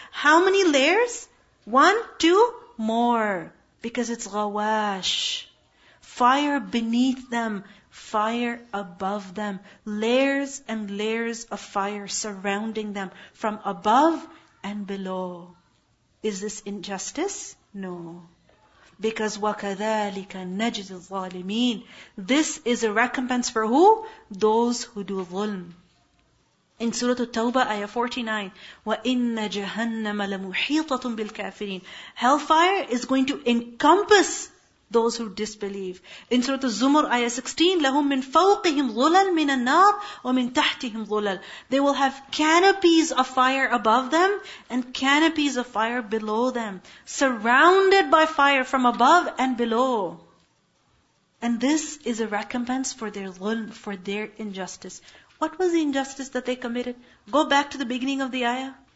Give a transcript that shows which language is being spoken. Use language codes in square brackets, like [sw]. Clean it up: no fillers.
[en] How many layers? One, two, more. Because it's ghawash. Fire beneath them, fire above them. Layers and layers of fire surrounding them from above and below. Is this injustice? No. Because [ar] وَكَذَٰلِكَ نَجْزِ الظَّالِمِينَ. [en] This is a recompense for who? Those who do ظُلْم. In Surah At-Tawbah, Ayah 49, [ar] وَإِنَّ جَهَنَّمَ لَمُحِيطَةٌ بِالْكَافِرِينَ. [en] Hellfire is going to encompass those who disbelieve. [ar] In Surah Az-Zumar, Ayah 16, لَهُمْ مِنْ فَوْقِهِمْ ظُلَلْ مِنَ النَّارِ وَمِنْ تَحْتِهِمْ ظُلَلْ. [en] They will have canopies of fire above them and canopies of fire below them, surrounded by fire from above and below. And this is a recompense for their ظُلْم, for their injustice. What was the injustice that they committed? Go back to the beginning of the ayah.